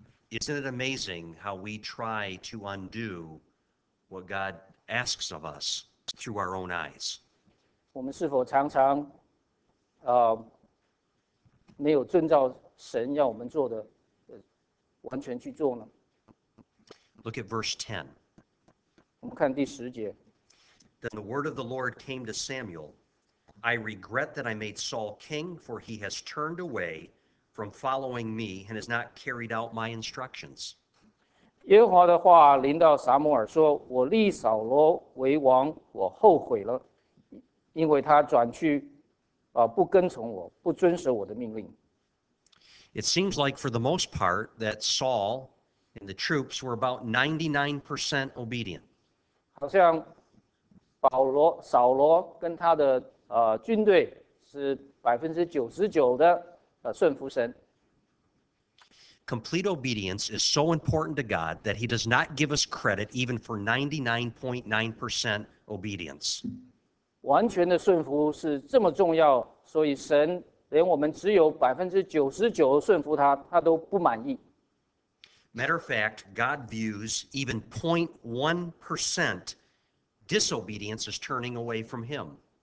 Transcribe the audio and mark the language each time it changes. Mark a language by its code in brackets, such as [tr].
[en] Isn't it amazing how we try to undo what God asks of us through our own eyes? [zh] 我们是否常常，没有遵照神要我们做的，完全去做呢？ [en] Look at verse 10. [zh] 我们看第十节。 [en] Then the word of the Lord came to Samuel, I regret that I made Saul king, for he has turned away. From following me and has not carried out my instructions. [zh] 耶和华的话临到撒母耳说：“我立扫罗为王，我后悔了，因为他转去，不跟从我，不遵守我的命令。” [en] It seems like for the most part that Saul and the troops were about 99% obedient. [zh] 好像扫罗跟他的军队是99%的。顺服神。 [en] Complete obedience is so important to God that He does not give us credit even for 99.9% obedience. [zh] 完全的顺服是这么重要，所以神连我们只有 99% 顺服他，他都不满意。 [en] Matter of fact, God views even 0.1% disobedience as turning away from him.